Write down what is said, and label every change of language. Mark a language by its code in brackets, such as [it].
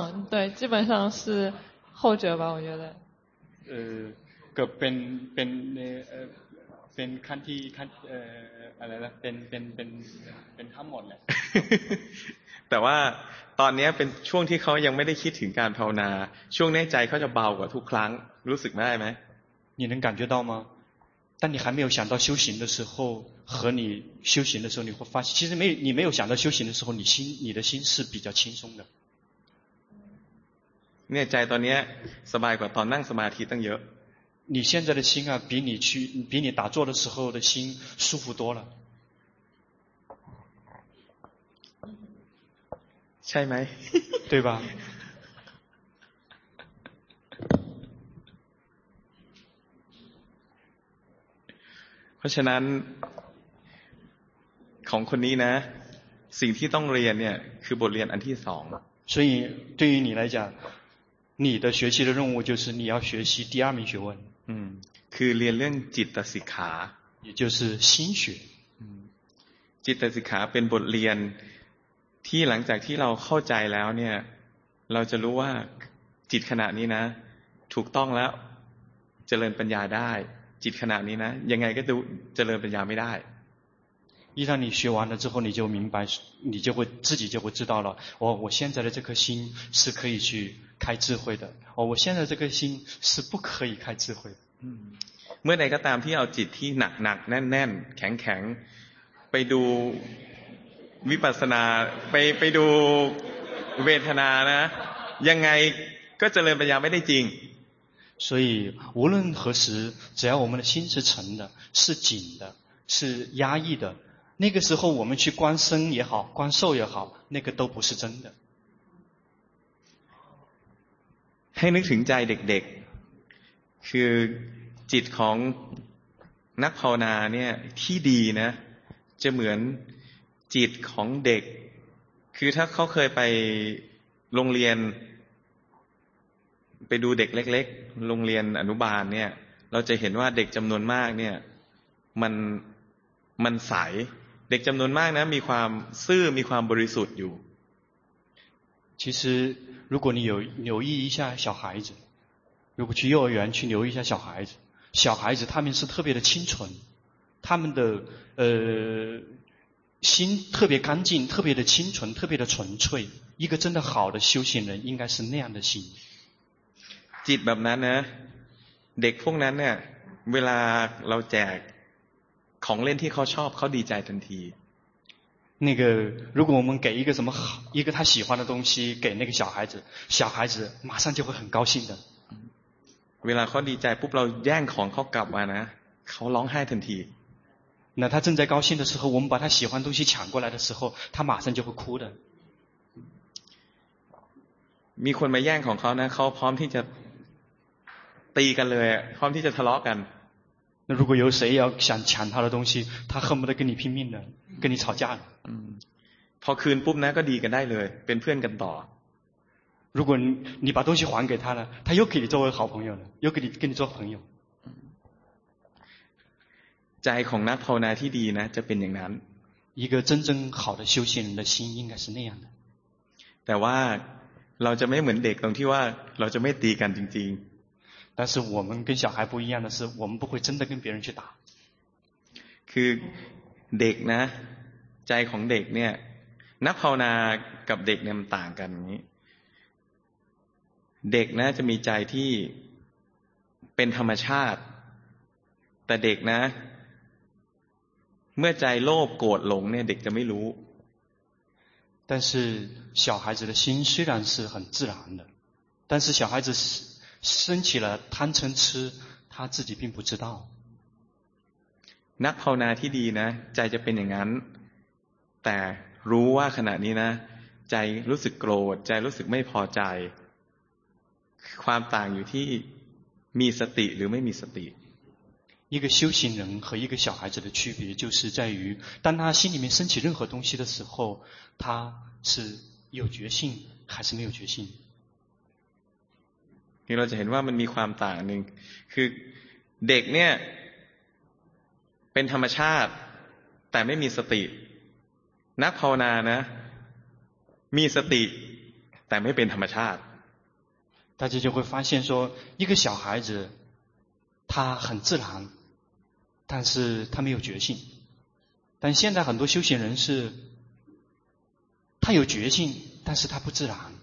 [zh] 对基本上是后者吧我觉得 [th] ก็เป็นขั้นที่ขั้นอะไรล่ะเป็นทั้งหมดแหละ แต่ว่าตอนนี้เป็นช่วงที่เขายังไม่ได้คิดถึงการภาวนาช่วงแน่ใจเขาจะเบากว่าทุกครั้งรู้สึกได้ไ [zh] หม你能感觉到吗当你还没有想到修行的时候和你修行的时候你会发现其实你没有想到修行的时候你的心是比较轻松的 [th] เนี่ยใจตอนนี้สบายกว่าตอนนั่งสมาธิตั้งเยอะ [zh] 你现在的心啊比你打坐的时候的心舒服多了 [th] ช่ไหม [zh] 对吧 [th] เพราะฉะนั้นของคนนี้นะสิ่งที่ต้องเรียนเนี่ยคือบทเรียนอันที่สอง [zh] 所以对于你来讲你的学习的任务就是你要学习第二门学问 [th] คือเรียนเรื่องจิตสิกขา [zh] 也就是心学 [th] จิตสิกขาเป็นบทเรียนที่หลังจากที่เราเข้าใจแล้วเนี่ยเราจะรู้ว่าจิตขณะนี้นะถูกต้องแล้วเจริญปัญญาได้จิตขณะนี้นะยังไงก็ดูเจริญปัญญาไม่ได้ [zh] 一旦你学完了之后，你就明白，你就会自己就会知道了。哦，我现在的这颗心是可以去开智慧的。哦，我现在这颗心是不可以开智慧的。 [th] เมื่อใดก็ตามที่เอาจิตที่หนักหนักแน่นแน่นแข็งแข็งไปดูวิปัสสนาไปดูเวทนานะยังไงก็เจริญปัญญาไม่ได้จริง [zh] 所以无论何时，只要我们的心是沉的，是紧的，是压抑的。那个时候我们去观身也好观受也好那个都不是真的 [th] ให้นึกถึงใจเด็กๆคือจิตของนักภาวนาเนี่ยที่ดีนะจะเหมือนจิตของเด็กคือถ้าเขาเคยไปโรงเรียนไปดูเด็กเล็กๆโรงเรียนอนุบาลเนี่ยเราจะเห็นว่าเด็กจำนวนมากเนี่ยมันใสเด็กจำนวนมากนะมีความซื่อมีความบริสุทธิ์อยู่ [zh] 其实如果你有留意一下小孩子如果去幼儿园去留意一下小孩子小孩子他们是特别的清纯他们的心特别干净特别的清纯特别的纯粹一个真的好的修行人应该是那样的心 [th] จิตแบบนั้นนะเด็กพวกนั้นเนี่ยเวลาเราแจกของเล่นที่เขาชอบเขาดีใจทันที [zh] 那个如果我们给一个什么好一个他喜欢的东西给那个小孩子小孩子马上就会很高兴的 [th] เวลาเขาดีใจปุ๊บเราแย่งของเขากลับมานะเขาร้องไห้ทันที [zh] 那他正在高兴的时候我们把他喜欢东西抢过来的时候他马上就会哭的 [th] มีคนมาแย่งของเขานะเขาพร้อมที่จะตีกันเลยพร้อมที่จะทะเลาะกัน [zh] 那如果有谁要想抢他的东西，他恨不得跟你拼命的，跟你吵架了。 [th] พอคืนปุ๊บนะก็ดีกันได้เลยเป็นเพื่อนกันต่อ [zh] 如果 你把东西还给他了，他又可以作为好朋友了，又可以跟你做朋友。 [th] ใจของนักภาวนาที่ดีนะจะเป็นอย่างนั้น [zh] 一个真正好的修行人的心应该是那样的。 [th] แต่ว่าเราจะไม่เหมือนเด็กตรงที่ว่าเราจะไม่ตีกันจริงๆ [zh] 但是我们跟小孩不一样的是我们不会真的跟别人去打 [th] คือเด็กนะใจของเด็กเนี่ยนักภาวนากับเด็กเนี่ยมันต่างกันนี้เด็กนะจะมีใจที่เป็นธรรมชาติแต่เด็กนะเมื่อใจโลภโกรธหลงเนี่ยเด็กจะไม่รู้ [zh] 但是小孩子的心虽然是很自然的但是小孩子是升起了贪嗔痴他自己并不知道 [th] นักภาวนาที่ดีนะใจจะเป็นอย่างนั้นแต่รู้ว่าขณะนี้นะใจรู้สึกโกรธใจรู้สึกไม่พอใจความต่างอยู่ที่มีสติหรือไม่มีสติ [zh] 一个修行人和一个小孩子的区别就是在于当他心里面升起任何东西的时候他是有觉性还是没有觉性 [th] นี่เราจะเห็นว่ามันมีความต่างหนึ่งคือเด็กเนี่ยเป็นธรรมชาติแต่ไม่มีสตินักภาวนานะมีสติแต่ไม่เป็นธรรมชาติ [zh] 大家就会发现说一个小孩子他很自然但是他没有觉性但现在很多修行人是他有觉性但是他不自然